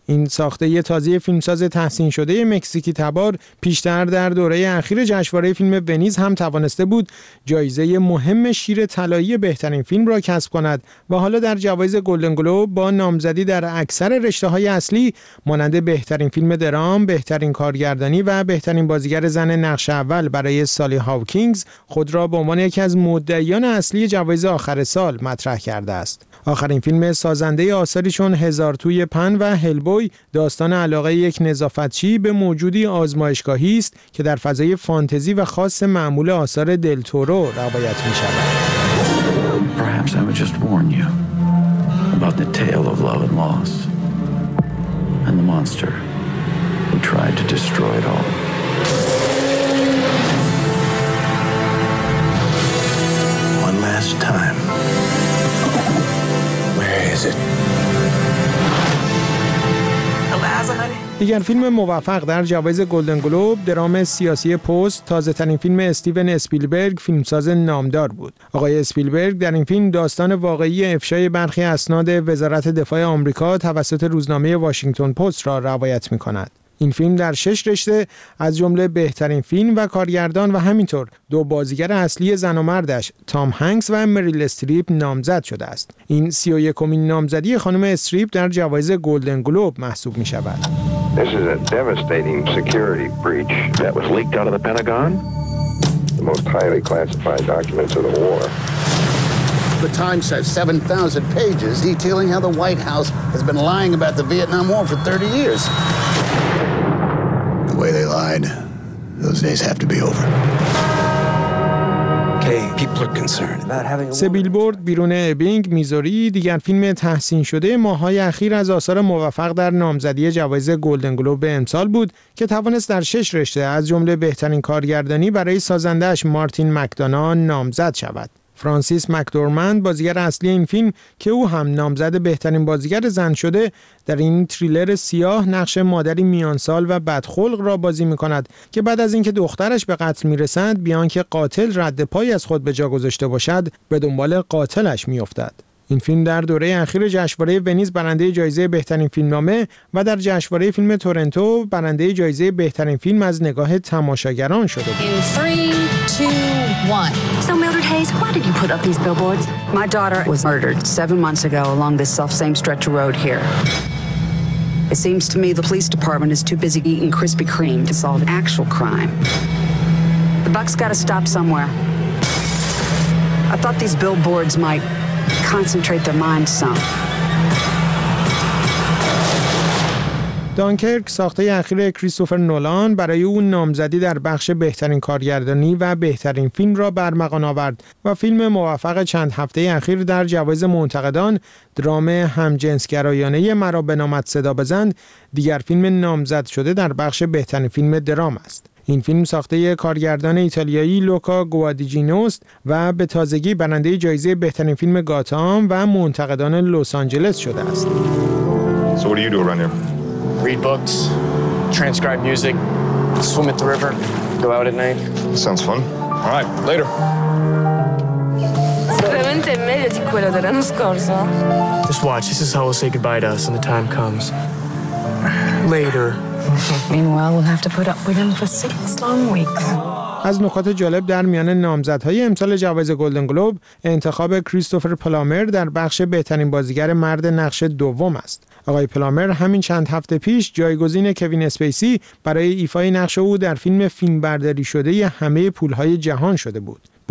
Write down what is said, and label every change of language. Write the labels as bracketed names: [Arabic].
[Persian] این ساخته تازه فیلمساز تحسین شده مکزیکی تبار پیشتر در دوره اخیر جشنواره فیلم ونیز هم توانسته بود جایزه مهم شیر طلایی بهترین فیلم را کسب کند و حالا در جوایز گلدن گلوب با نامزدی در اکثر رشته‌های اصلی مانند بهترین فیلم درام، بهترین کارگردانی و بهترین بازیگر زن نقش اول برای سالی هاوکینگز خود را به عنوان یکی از مدعیان اصلی جوایز آخر سال مطرح کرده است. آخرین فیلم سازنده آثاری چون هزار توی پن و هلبوی داستان علاقه یک نظافتچی به موجودی آزمایشگاهی است که در فضای فانتزی و خاص معمول آثار دلتورو روایت می شود. [English] Perhaps I would just warn you about the tale of love and loss and the monster who tried to destroy it all. One last time. [Persian] دیگر فیلم موفق در جوایز گلدن گلوب، درام سیاسی پست، تازه ترین فیلم استیون اسپیلبرگ فیلمساز نامدار بود. آقای اسپیلبرگ در این فیلم داستان واقعی افشای برخی اسناد وزارت دفاع آمریکا توسط روزنامه واشنگتن پست را روایت می‌کند. این فیلم در 6 رشته از جمله بهترین فیلم و کارگردان و همینطور دو بازیگر اصلی زن و مردش تام هنکس و مریل استریپ نامزد شده است. این 31مین نامزدی خانم استریپ در جوایز گلدن گلوب محسوب می شود. [English] This is a devastating security breach that was leaked out of the Pentagon. The most highly classified documents of the war. The Times has 7,000 pages detailing how the White House has been lying about the Vietnam War for 30 years. The way they lied, those days have to be over. [Persian] سه بیلبورد بیرون ابینگ میزوری دیگر فیلم تحسین شده ماهای اخیر از آثار موفق در نامزدی جوایز گلدن گلوب به امسال بود که توانست در 6 رشته از جمله بهترین کارگردانی برای سازندهش مارتین مکدانا نامزد شود. فرانسیس مکدورمند بازیگر اصلی این فیلم که او هم نامزد بهترین بازیگر زن شده در این تریلر سیاه نقش مادری میانسال و بدخلق را بازی می‌کند که بعد از اینکه دخترش به قتل می‌رسد بیان که قاتل رد پای از خود به جا گذاشته باشد به دنبال قاتلش می‌افتد. این فیلم در دوره اخیر جشنواره ونیز برنده جایزه بهترین فیلمنامه و در جشنواره فیلم تورنتو برنده جایزه بهترین فیلم از نگاه تماشاگران شده بود. [English] So Mildred Hayes, why did you put up these billboards? My daughter was murdered 7 months ago along this self-same stretch of road here. It seems to me the police department is too busy eating Krispy Kreme to solve actual crime. The buck's got to stop somewhere. I thought these billboards might concentrate their minds some. [Persian] دانکرک ساخته اخیر کریستوفر نولان برای او نامزدی در بخش بهترین کارگردانی و بهترین فیلم را برمغان آورد و فیلم موفق چند هفته اخیر در جوایز منتقدان درام همجنسگرایانه مرا به نامت صدا بزن دیگر فیلم نامزد شده در بخش بهترین فیلم درام است. این فیلم ساخته کارگردان ایتالیایی لوکا گوادیجینوست و به تازگی برنده جایزه بهترین فیلم گاتام و منتقدان لس آنجلس شده است. [English] Read books, transcribe music, swim at the river, go out at night. Sounds fun. All right, later. [Italian] Sicuramente meglio di quello dell'anno scorso. [English] Just watch. This is how we'll say goodbye to us when the time comes. Later. Meanwhile, we'll have to put up with him for 6 long weeks. [Persian] از نکات جالب در میان نامزدهای امسال جوایز گلدن گلوب انتخاب کریستوفر پلامر در بخش بهترین بازیگر مرد نقش دوم است. آقای پلامر همین چند هفته پیش جایگزین کوین اسپیسی برای ایفای نقش او در فیلم برداری شده ی همه پولهای جهان شده بود. با